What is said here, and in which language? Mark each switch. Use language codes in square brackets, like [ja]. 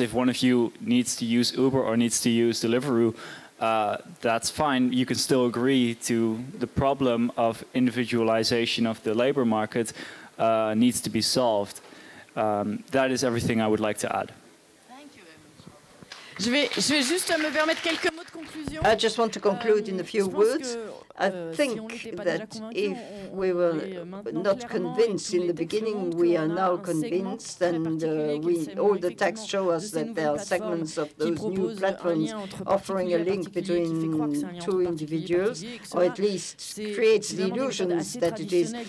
[en] If one of you needs to use Uber or needs to use Deliveroo, that's fine. You can still agree to the problem of individualization of the labor market needs to be solved. That is everything I would like to add. [fr] Je vais juste me permettre quelques mots de conclusion. [en] I just want to conclude in a few words. I think that if we were not convinced in the beginning, we are now convinced, and we, all the texts show us that there are segments of those new platforms offering a link between two individuals, or at least creates the illusions that it is.